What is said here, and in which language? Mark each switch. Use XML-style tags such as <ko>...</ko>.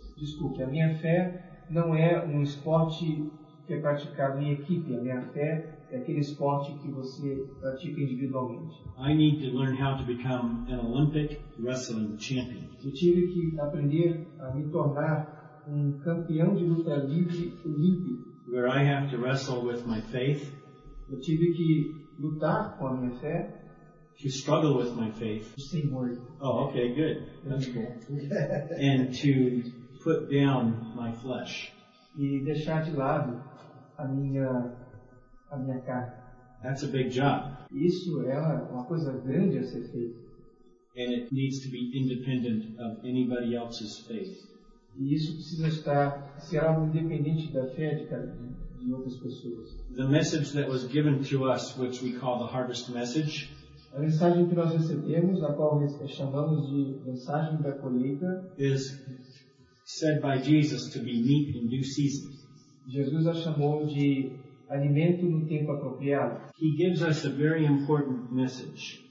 <pt>Desculpe, a minha fé não é um esporte que é praticado em equipe. A minha fé é aquele esporte que você pratica individualmente.</pt> <en>I need to learn how to become an Olympic wrestling champion.</en> <pt>Eu tive que aprender a me tornar um campeão de luta livre olímpico.</pt> <en>Where I have to wrestle with my faith.</en> <pt>Eu tive que lutar com a minha fé.</pt> <en>To struggle with my faith. Same word. Oh, okay, good. That's cool. And to put down my flesh.</en> <pt>E deixar de lado a minha carne.</pt> <en>That's a big job.</en> <pt>Isso é uma coisa grande a ser feita.</pt> <en>And it needs to be independent of anybody else's faith.</en> <pt>E isso precisa estar, ser algo independente da fé de outras pessoas.</pt> <en>The message that was given to us, which we call the harvest message.</en> <pt>A mensagem que nós recebemos, a qual chamamos de mensagem da colheita,</pt> <en>is said by Jesus to be meat in due season.</en> <pt>Jesus a chamou de alimento no tempo apropriado.</pt> <en>He gives us a very important message.</en>